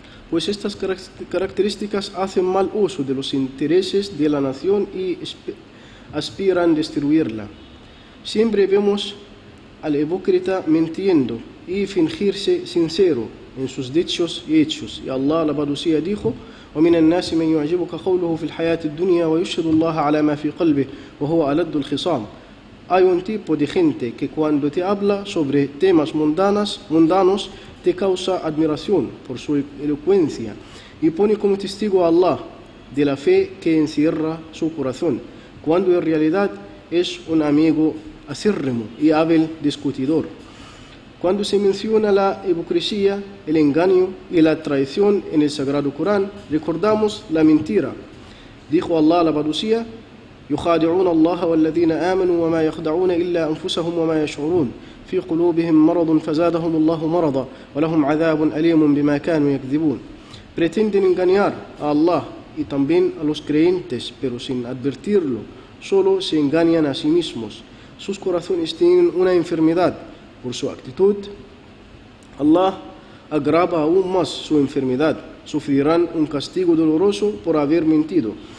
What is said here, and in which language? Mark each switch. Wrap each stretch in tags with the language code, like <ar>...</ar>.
<es>Pues estas características hacen mal uso de los intereses de la nación y aspiran a destruirla. Siempre vemos al hipócrita mintiendo y fingirse sincero en sus dichos y hechos. Y Allah, alabado sea, dijo:</es> <ar>وَمِنَ النَّاسِ مَنْ يُعْجِبُكَ قَوْلُهُ فِي الْحَيَاةِ الدُّنْيَا وَيُشْهِدُ اللَّهَ عَلَى مَا فِي قَلْبِهِ وَهُوَ أَلَدُّ الْخِصَامِ.</ar> <es>Hay un tipo de gente que cuando te habla sobre temas mundanos te causa admiración por su elocuencia y pone como testigo a Allah de la fe que encierra su corazón, cuando en realidad es un amigo acérrimo y hábil discutidor. Cuando se menciona la hipocresía, el engaño y la traición en el Sagrado Corán, recordamos la mentira. Dijo Allah la Badusía:</es> <ar>يخادعون الله والذين آمنوا وما يخدعون إلا أنفسهم وما يشعرون في قلوبهم مرض فزادهم الله مرضا ولهم عذاب أليم بما كانوا يكذبون.</ar> <es>Pretenden engañar a Allah y también a los creyentes, pero sin advertirlo, solo se engañan a sí mismos. Sus corazones tienen una enfermedad por su actitud. Allah agrava aún más su enfermedad. Sufrirán un castigo doloroso por haber mentido.</es>